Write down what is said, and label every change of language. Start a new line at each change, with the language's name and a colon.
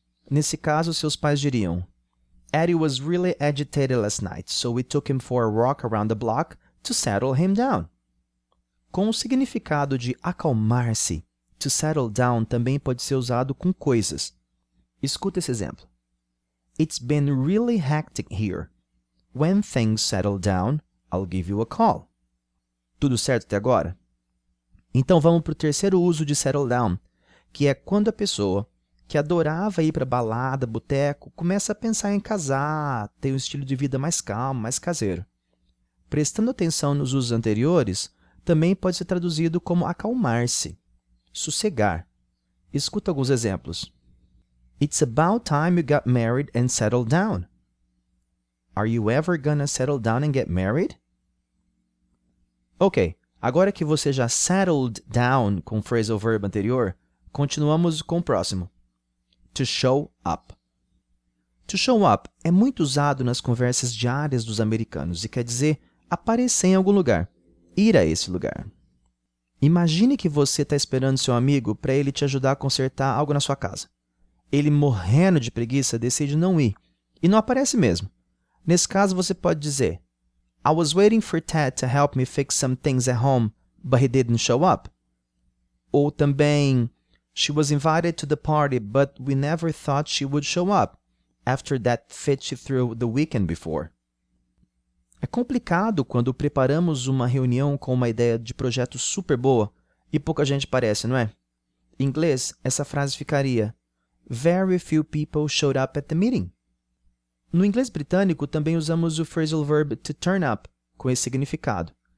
Portuguese: Nesse caso, seus pais diriam,
English: Eddie was really agitated last night, so we took him for a walk around the block to settle him down.
Portuguese: Com o significado de acalmar-se, to settle down também pode ser usado com coisas. Escuta esse exemplo.
English: It's been really hectic here. When things settle down, I'll give you a call.
Portuguese: Tudo certo até agora? Então vamos para o terceiro uso de settle down, que é quando a pessoa que adorava ir para balada, boteco, começa a pensar em casar, ter um estilo de vida mais calmo, mais caseiro. Prestando atenção nos usos anteriores, também pode ser traduzido como acalmar-se, sossegar. Escuta alguns exemplos.
English: It's about time you got married and settled down. Are you ever gonna settle down and get married?
Portuguese: Ok, agora que você já settled down com o phrasal verb anterior, continuamos com o próximo. To show up. To show up é muito usado nas conversas diárias dos americanos e quer dizer aparecer em algum lugar, ir a esse lugar. Imagine que você está esperando seu amigo para ele te ajudar a consertar algo na sua casa. Ele, morrendo de preguiça, decide não ir e não aparece mesmo. Nesse caso, você pode dizer
English: I was waiting for Ted to help me fix some things at home, but he didn't show up.
Portuguese: Ou também
English: She was invited to the party, but we never thought she would show up after that fit she threw the weekend before.
Portuguese: É complicado quando preparamos uma reunião com uma ideia de projeto super boa e pouca gente aparece, não é? Em inglês, essa frase ficaria
English: Very few people showed up at the meeting.
Portuguese: No inglês britânico, também usamos o phrasal verb to turn up com esse significado.